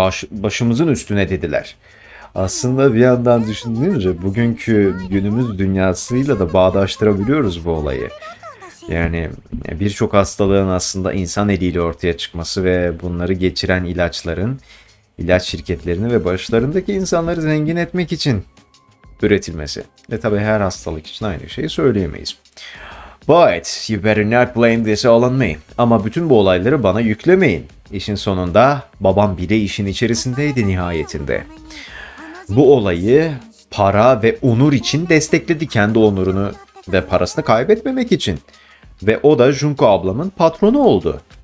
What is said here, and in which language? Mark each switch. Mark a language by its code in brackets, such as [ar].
[tr] Başımızın üstüne dediler. Aslında bir yandan düşününce bugünkü günümüz dünyasıyla da bağdaştırabiliyoruz bu olayı. Yani birçok hastalığın aslında insan eliyle ortaya çıkması ve bunları geçiren ilaçların, ilaç şirketlerini ve başlarındaki insanları zengin etmek için üretilmesi. Ve tabii her hastalık için aynı şeyi söyleyemeyiz. [en] But you better not blame this all on me. [tr] Ama bütün bu olayları bana yüklemeyin. İşin sonunda babam bile işin içerisindeydi nihayetinde. Bu olayı para ve onur için destekledi, kendi onurunu ve parasını kaybetmemek için. Ve o da Junko ablamın patronu oldu.